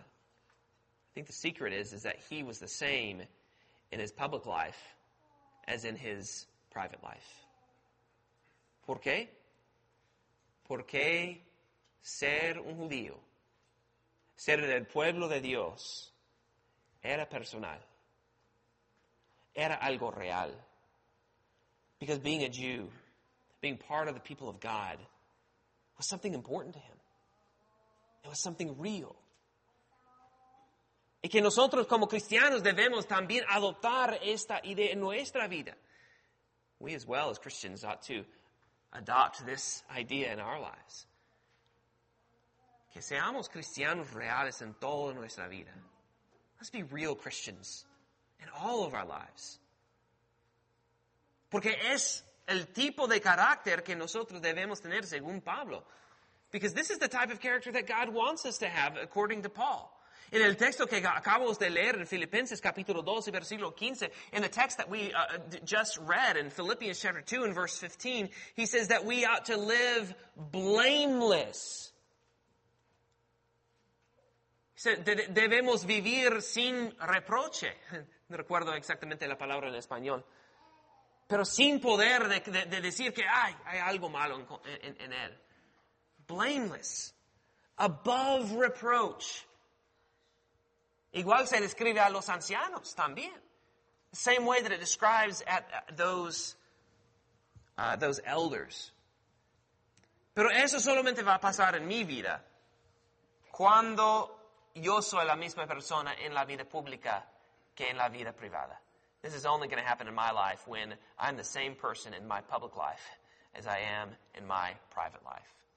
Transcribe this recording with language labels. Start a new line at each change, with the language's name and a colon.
English: I think the secret is that he was the same in his public life as in his private life.
Spanish: ¿Por qué? Porque ser un judío, ser del pueblo de Dios, era personal. Era algo real.
English: Because being a Jew, being part of the people of God, was something important to him. It was something real.
Spanish: Y que nosotros como cristianos debemos también adoptar esta idea en nuestra vida.
English: We as well as Christians ought to adopt this idea in our lives.
Spanish: Que seamos cristianos reales en toda nuestra vida.
English: Let's be real Christians in all of our lives.
Spanish: Porque es el tipo de carácter que nosotros debemos tener según Pablo.
English: Because this is the type of character that God wants us to have according to Paul.
Spanish: En el texto que acabamos de leer en Filipenses capítulo 12 versículo 15,
English: in the text that we just read in Philippians chapter 2 and verse 15, he says that we ought to live blameless.
Spanish: So, debemos vivir sin reproche. No recuerdo exactamente la palabra en español. Pero sin poder de decir que hay algo malo en él.
English: Blameless. Above reproach.
Spanish: Igual se describe a los ancianos también.
English: Same way that it describes at those elders.
Spanish: Pero eso solamente va a pasar en mi vida cuando yo soy la misma persona en la vida pública que en la vida privada.
English: This is only going to happen in my life when I'm the same person in my public life as I am in my private life.